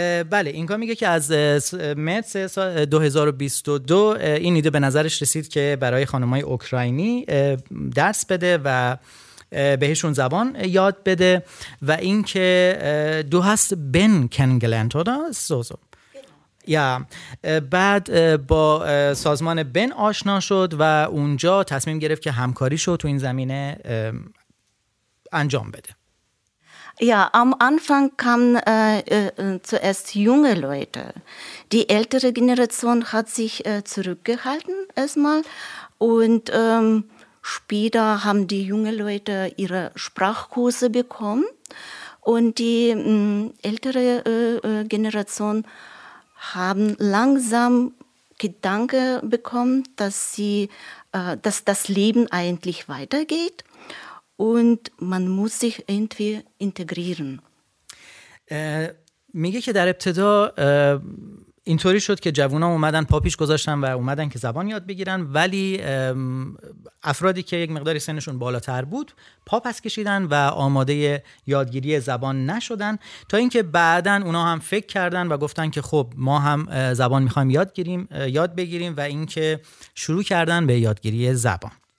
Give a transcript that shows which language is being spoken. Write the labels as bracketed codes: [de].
[fa] بله، این کا میگه که از مرس 2022 این ایده به نظرش رسید که برای خانمای اوکراینی درس بده و بهشون زبان یاد بده و این که دو هست بن کنگلند سوزو یا بعد با سازمان بن آشنا شد و اونجا تصمیم گرفت که همکاریشو تو این زمینه انجام بده. [de] Ja, am Anfang kamen zuerst junge Leute. Die ältere Generation hat sich zurückgehalten erstmal und später haben die jungen Leute ihre Sprachkurse bekommen und die ältere Generation haben langsam Gedanke bekommen, dass sie, dass das Leben eigentlich weitergeht. Und man muss sich irgendwie integrieren. [fa] میگه که در ابتدا اینطوری شد که جوونا اومدن پاپیش گذاشتن و اومدن که زبان یاد بگیرن، ولی افرادی که یک مقداری سنشون بالاتر بود پا پس کشیدن و آماده یادگیری زبان نشدن، تا اینکه بعدن اونا هم فکر کردن و گفتن که خب ما هم زبان میخوایم یاد بگیریم و اینکه شروع کردن به یادگیری زبان.